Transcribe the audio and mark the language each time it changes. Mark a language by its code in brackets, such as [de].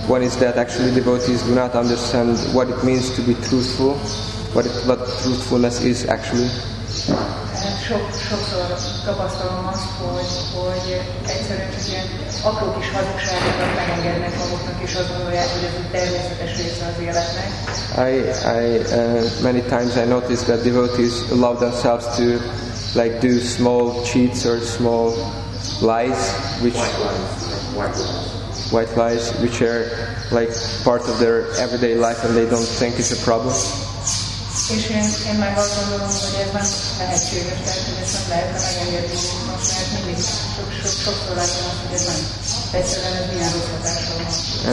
[en] One is that actually devotees do not understand what it means to be truthful, what truthfulness is actually. [hu] Sokszor tapasztalom azt, hogy egyszerűen csak ilyen apró kis hazugságokat megengednek maguknak, és azt gondolják, hogy ez egy természetes része az életnek. [en] I many times I noticed that devotees allow themselves to like do small cheats or small lies, which white lies. white lies, which are like part of their everyday life and they don't think it's a problem. [hu] És én meg azt gondolom, hogy ez nem lehetséges, tehát hogy ezt nem lehetne megengedni, most lehet mindig sokszor látom azt, hogy ez nem egyszerűen ez milyen rosszatással van.